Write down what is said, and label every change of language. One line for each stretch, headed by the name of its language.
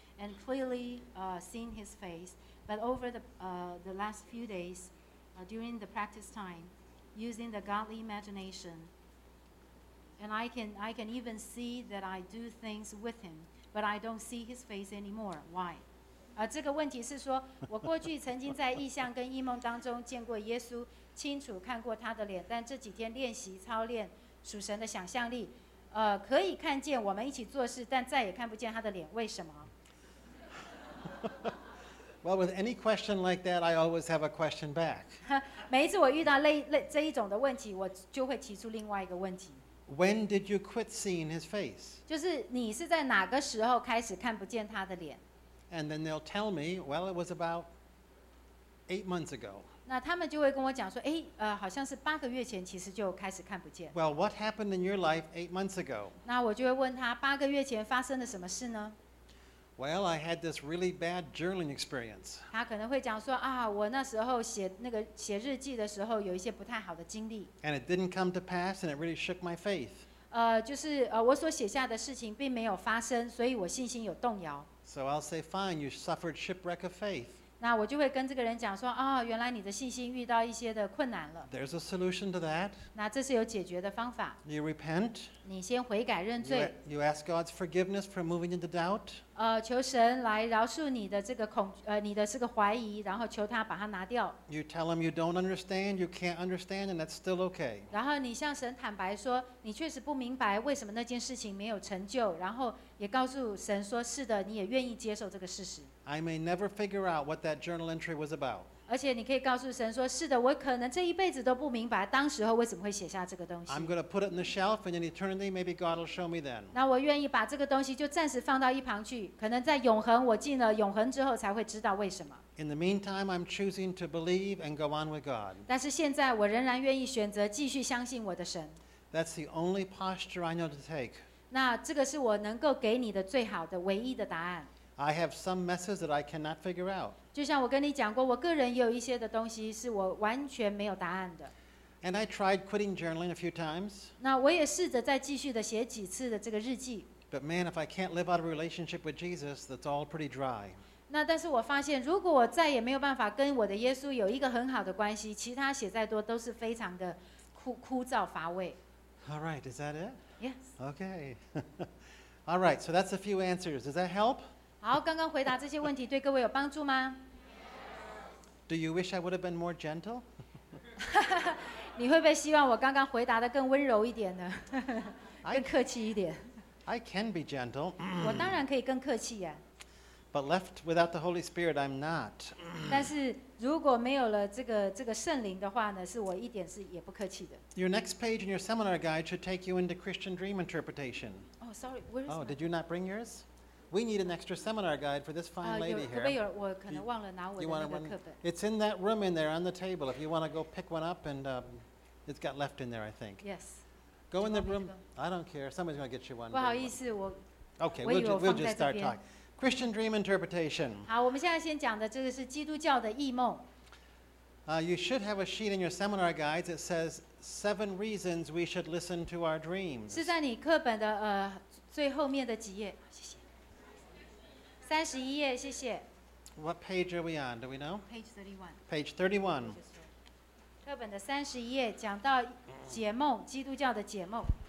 English: And clearly seen his face, but over the last few days, during the practice time, using the godly imagination, and I can even see that I do things with him, but I don't see his face anymore. Why?
Chinese: 这个问题是说，我过去曾经在异象跟异梦当中见过耶稣，清楚看过他的脸，但这几天练习操练属神的想象力，可以看见我们一起做事，但再也看不见他的脸，为什么？
English: Well, with any question like that, I always have a question back.
Chinese: 每一次我遇到类这一种的问题，我就会提出另外一个问题。
English: When did you quit seeing his face?
Chinese: 就是你是在哪个时候开始看不见他的脸？
English: And then they'll tell me, well, it was about 8 months ago.
Chinese: 那他们就会跟我讲说，哎，好像是八个月前，其实就开始看不见。
English: Well, what happened in your life 8 months ago?
Chinese: 那我就会问他，八个月前发生了什么事呢？
English: Well, I had this really bad journaling experience.
Chinese: 他可能会讲说啊，我那时候写那个写日记的时候有一些不太好的经历。
English: And it didn't come to pass, and it really shook my faith.
Chinese: 我所写下的事情并没有发生，所以我信心有动摇。
English: So I'll say, fine, you suffered shipwreck of faith.
Chinese: 那我就会跟这个人讲说啊，原来你的信心遇到一些的困难了。
English: There's a solution to that.
Chinese: 那这是有解决的方法。
English: You repent.
Chinese: 你先悔改认罪。
English: You ask God's forgiveness for moving into doubt.
Chinese: 求神来饶恕你的这个恐你的这个怀疑，然后求他把它拿掉。
English: You tell him you don't understand, you can't understand, and that's still okay.
Chinese: 然后你向神坦白说，你确实不明白为什么那件事情没有成就，然后也告诉神说，是的，你也愿意接受这个事实。
English: I may never figure out what that journal entry was about.
Chinese: 而且你可以告诉神说，是的，我可能这一辈子都不明白当时候为什么会写下这个东西。
English: I'm going to put it in the shelf, and in eternity, maybe God will show me then.
Chinese: 那我愿意把这个东西就暂时放到一旁去，可能在永恒，我进了永恒之后才会知道为什么。
English: In the meantime, I'm choosing to believe and go on with God.
Chinese: 但是现在我仍然愿意选择继续相信我的神。
English: That's the only posture I know to take.
Chinese: 那这个是我能够给你的最好的唯一的答案。
English: I have some messes that I cannot figure out.
Chinese: 就像我跟你讲过，我个人也有一些的东西是我完全没有答案的。
English: And I tried quitting journaling a few times.
Chinese: 那我也试着再继续的写几次的这个日记。
English: But man, if I can't live out a relationship with Jesus, that's all pretty dry.
Chinese: 那但是我发现，如果我再也没有办法跟我的耶稣有一个很好的关系，其他写再多都是非常的枯燥乏味。
English: All right, is that it? Yes. Okay. All right, so that's a few answers. Does that help?
Chinese: 好，刚刚回答这些问题对各位有帮助吗
English: ？Do you wish I would have been more gentle?
Chinese: 你会不会希望我刚刚回答的更温柔一点呢？更客气一点
English: ？I can be gentle.
Chinese: 我当然可以更客气呀。
English: But left without the Holy Spirit, I'm not.
Chinese: 但是如果没有了这个圣灵的话呢，是我一点是也不客气的。
English: Your next page in your seminar guide should take you into Christian dream interpretation. Oh, sorry. Where is oh, did you not bring yours? We need an extra seminar guide for this fine lady here.
Chinese: 可不可以有我可能忘了拿我的那个课本。
English: It's in that room in there on the table. If you want to go pick one up, and it's got left in there, I think. Yes. Go Go in the room. I don't care. Somebody's going to get you one.
Chinese: 不好意思, 我,
English: okay, we'll just start talking. Christian dream interpretation.
Chinese: 好，我们现在先讲的这个是基督教的异梦。
English: You should have a sheet in your seminar guides that says seven reasons we should listen to our dreams.
Chinese: 是在你课本的, 最后面的几页, 谢谢。 31页, 谢谢。
English: What page are we on? Do we know? Page 31. Page 31.
Chinese: 课本的31页, 讲到解梦, 基督教的解梦。